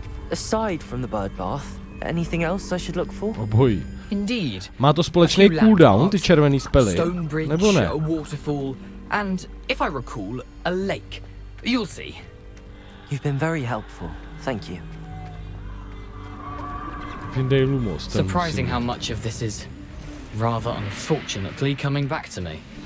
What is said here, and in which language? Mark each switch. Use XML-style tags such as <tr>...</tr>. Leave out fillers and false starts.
<en>Aside from the bird bath, anything else I should look for? Oboj. Indeed.</en> <cs>Má to společný cooldown, ty červený spely. Nebo ne?</cs> <en>A waterfall, and if I recall, a lake. You'll see. You've been very helpful. Thank you. Vindelumos. Surprising how much of this is rather unfortunately coming back to me.</en>